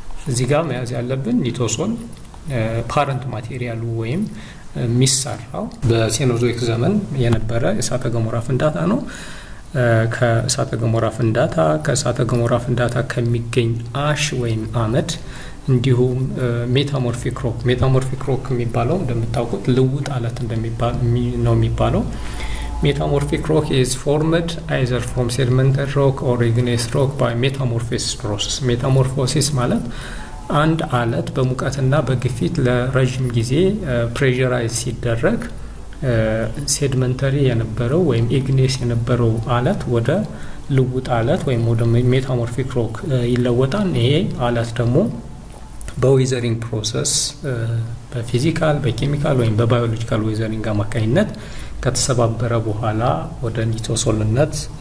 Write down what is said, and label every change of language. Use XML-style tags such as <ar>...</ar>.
<am>እዚጋ መያዝ ያለብን ኒቶ ሶል ፓረንት ማቴሪያሉ ወይም የሚሰራው በሴኖዞይክ ዘመን የነበረ እሳተ ገሞራ ፍንዳታ ነው። ከእሳተ ገሞራ ፍንዳታ ከሚገኝ አሽ ወይም አመድ እንዲሁም ሜታሞርፊክ ሮክ ሜታሞርፊክ ሮክ የሚባለው እንደምታውቁት ልውጥ አለት እንደሚባል ነው የሚባለው</am> <en>Metamorphic rock is formed either from sedimentary rock or igneous rock by metamorphosis process.</en> <am>Metamorphosis ማለት አንድ አለት በሙቀትና በግፊት ለረጅም ጊዜ pressurized ሲደረግ sedimentary የነበረው ወይም igneous የነበረው አለት ወደ ልውጥ አለት ወይም ወደ metamorphic rock ይለወጣል። ይሄ አለት ደግሞ በweathering process በphysical በchemical ወይም በbiological weathering አማካኝነት ከተሰባበረ በኋላ ወደ ኒቶሶልነት</am>